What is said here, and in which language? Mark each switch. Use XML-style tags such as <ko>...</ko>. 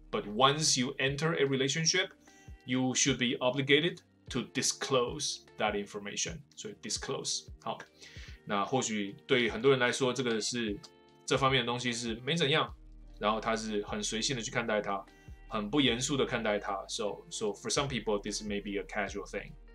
<en>But once you enter a relationship, you should be obligated to disclose that information.</en> <zh>所以 disclose 好。那或许对很多人来说，这个是这方面的东西是没怎样，然后他是很随性的去看待它，很不严肃的看待它。</zh> <en>So for some people, this may be a casual thing.</en>